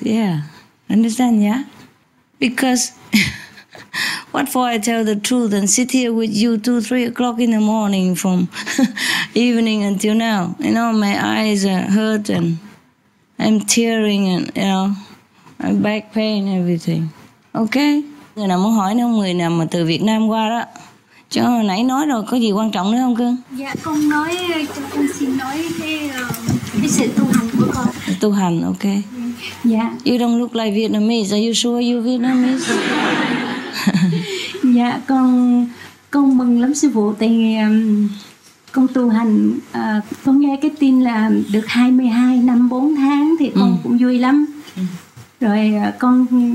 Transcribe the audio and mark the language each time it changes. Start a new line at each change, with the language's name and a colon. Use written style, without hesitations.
English: Yeah, understand, yeah? Because what for I tell the truth and sit here with you 2-3 o'clock in the morning from evening until now? You know, my eyes are hurt and I'm tearing and, you know, my back pain, everything. Okay?
Vietnamese: Người nào muốn hỏi nữa, người nào mà từ Việt Nam qua đó. Chứ hồi nãy nói rồi, có gì quan trọng nữa không cưng? Dạ, con nói, con xin nói cái sự tu hành của con. Tu hành, ok. Dạ.
English: You don't look like Vietnamese, are you sure you're Vietnamese?
Vietnamese: Dạ, con mừng lắm sư phụ, tại vì con tu hành, con nghe cái tin là được 22 năm 4 tháng thì con cũng vui lắm. Rồi con...